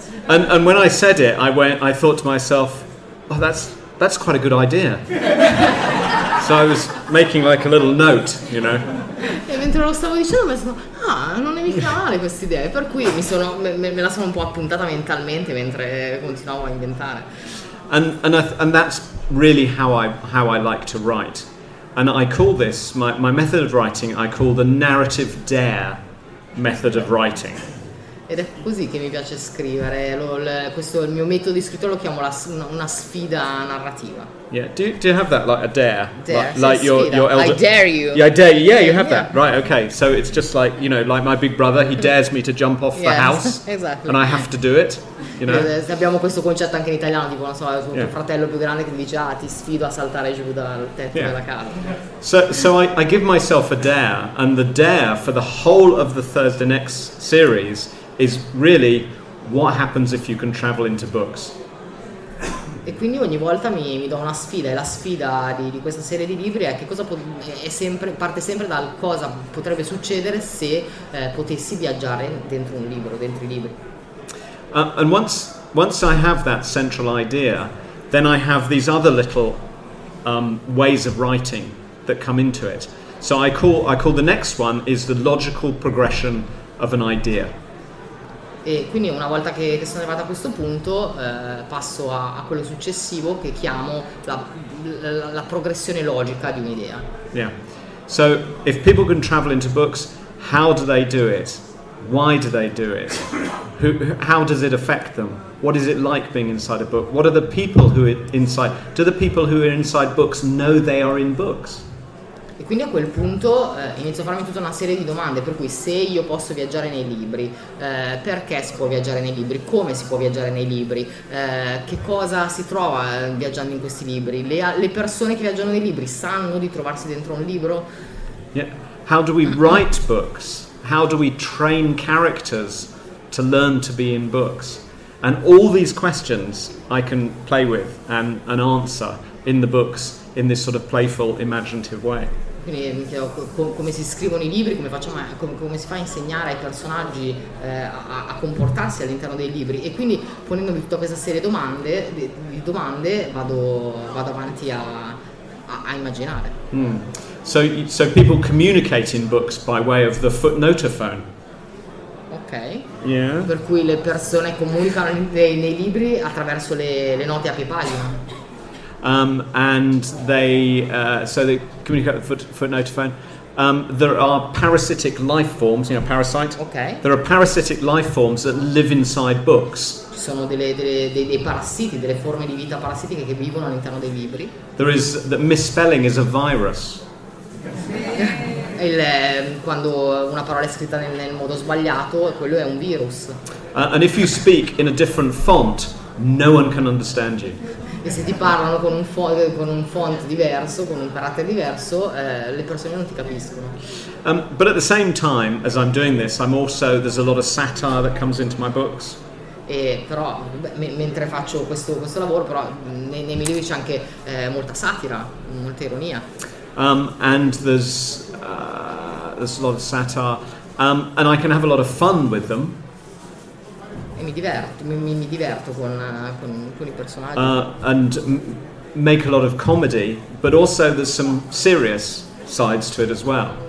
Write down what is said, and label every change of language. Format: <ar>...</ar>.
<en>And when I said it, I thought to myself, oh, that's quite a good idea. So I was making like a little note, you know.</en> <it>E mentre lo stavo dicendo, mi sono non è mica male questa idea. Per cui me la sono un po' appuntata mentalmente mentre continuavo a inventare.</it> <en>And that's really how I like to write. And I call this my method of writing, I call the narrative dare method of writing.</en> <it>Ed è così che mi piace scrivere. Questo il mio metodo di scrittura, lo chiamo una sfida narrativa.</it> <en>Yeah, do you have that, like a dare? Dare, like your elder. I dare you. Yeah, I dare you. Yeah, you have that. Right, okay. So it's just like, you know, like my big brother, he dares me to jump off the house. Exactly. And I have to do it, you know.</en> <it>Abbiamo questo concetto anche in italiano, tipo, non so, il tuo fratello più grande che dice, ti sfido a saltare giù dal tetto della casa.</it> <en>So I give myself a dare, and the dare for the whole of the Thursday Next series is really what happens if you can travel into books.</en> <it>E quindi ogni volta mi do una sfida, e la sfida di questa serie di libri è che cosa parte sempre dal cosa potrebbe succedere se potessi viaggiare dentro un libro, dentro i libri.</it> <en>And once I have that central idea, then I have these other little ways of writing that come into it. So I call the next one is the logical progression of an idea.</en> <it>E quindi una volta che sono arrivato a questo punto, passo a quello successivo che chiamo la progressione logica di un'idea.</it> <en>Yeah. So if people can travel into books, how do they do it? Why do they do it? How does it affect them? What is it like being inside a book? What are the people who are inside? Do the people who are inside books know they are in books?</en> <it>E quindi a quel punto inizio a farmi tutta una serie di domande, per cui se io posso viaggiare nei libri, perché si può viaggiare nei libri, come si può viaggiare nei libri, che cosa si trova viaggiando in questi libri, le persone che viaggiano nei libri sanno di trovarsi dentro un libro?</it> <en>Yeah. How do we write books? How do we train characters to learn to be in books? And all these questions I can play with and answer in the books in this sort of playful, imaginative way.</en> <it>Quindi mi chiedo come si scrivono i libri, come si fa a insegnare ai personaggi a comportarsi all'interno dei libri. E quindi, ponendomi tutta questa serie di domande, vado avanti a immaginare. Mm.</it> <en>So people communicate in books by way of the footnotophone. Ok. Yeah.</en> <it>Per cui le persone comunicano nei libri attraverso le note a più pagina.</it> <en>And they so they communicate with the footnotophone. There are parasitic life forms, you know, parasite. Okay. There are parasitic life forms that live inside books.</en> <it>Ci sono dei parassiti, delle forme di vita parassitiche che vivono all'interno dei libri.</it> <en>There is that misspelling is a virus.</en> <it>Quando una parola è scritta nel modo sbagliato, quello è un virus.</it> <en>And if you speak in a different font, no one can understand you.</en> <it>E se ti parlano con un font diverso, con un carattere diverso, le persone non ti capiscono.</it> <en>But at the same time, as I'm doing this, I'm also there's a lot of satire that comes into my books.</en> <it>E però mentre faccio questo lavoro, però nei miei libri c'è anche molta satira, molta ironia.</it> <en>And there's a lot of satire, and I can have a lot of fun with them.</en> <it>E mi diverto con i personaggi.</it> <en>And make a lot of comedy, but also there's some serious sides to it as well.</en>